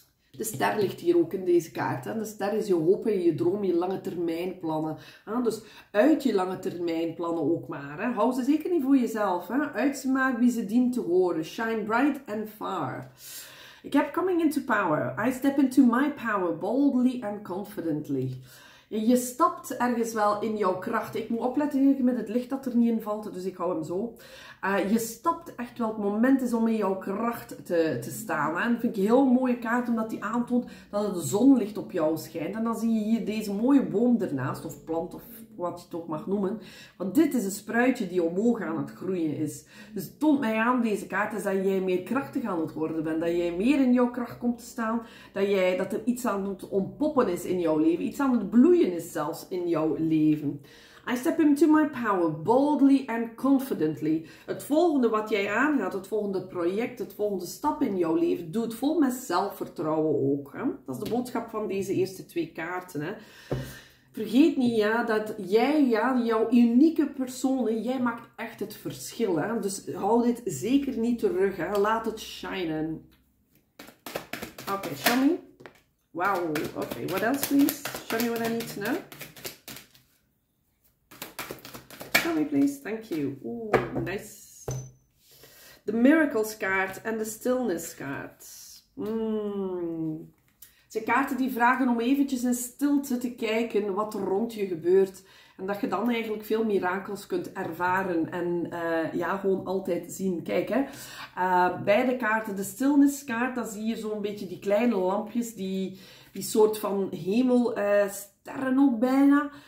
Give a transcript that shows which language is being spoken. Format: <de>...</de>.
<nl>De ster ligt hier ook in deze kaart. De ster is je hoop en je droom, je lange termijn plannen. Dus uit je lange termijn plannen ook maar. Hou ze zeker niet voor jezelf. Uit ze maar wie ze dient te horen.</nl> <en>Shine bright and far.</en> <nl>Ik heb</nl> <en>coming into power. I step into my power boldly and confidently.</en> <nl>Je stapt ergens wel in jouw kracht. Ik moet opletten met het licht dat er niet in valt, dus ik hou hem zo. Je stapt echt wel, het moment is om in jouw kracht te staan. En dat vind ik een heel mooie kaart, omdat die aantoont dat het zonlicht op jou schijnt. En dan zie je hier deze mooie boom ernaast, of plant, of wat je het ook mag noemen. Want dit is een spruitje die omhoog aan het groeien is. Dus het toont mij aan, deze kaart, is dat jij meer krachtig aan het worden bent. Dat jij meer in jouw kracht komt te staan. Dat er iets aan het ontpoppen is in jouw leven. Iets aan het bloeien is zelfs in jouw leven.</nl> <en>I step into my power boldly and confidently.</en> <nl>Het volgende wat jij aangaat, het volgende project, het volgende stap in jouw leven, doe het vol met zelfvertrouwen ook. Hè? Dat is de boodschap van deze eerste twee kaarten. Hè? Vergeet niet dat jij, jouw unieke persoon, jij maakt echt het verschil. Hè? Dus hou dit zeker niet terug.</nl> <en>Hè?</en> <nl>Laat het shinen.</nl> <en>Oké, Shami. Wow, oké. What else, please? Show me what I need to know. Show me, please. Thank you. Oeh, nice. The Miracles card and the Stillness card.</en> <nl>Het zijn kaarten die vragen om eventjes in stilte te kijken wat er rond je gebeurt. En dat je dan eigenlijk veel mirakels kunt ervaren en gewoon altijd zien. Kijk, hè. Beide kaarten, de stilniskaart, dan zie je zo'n beetje die kleine lampjes, die soort van hemelsterren ook bijna.</nl>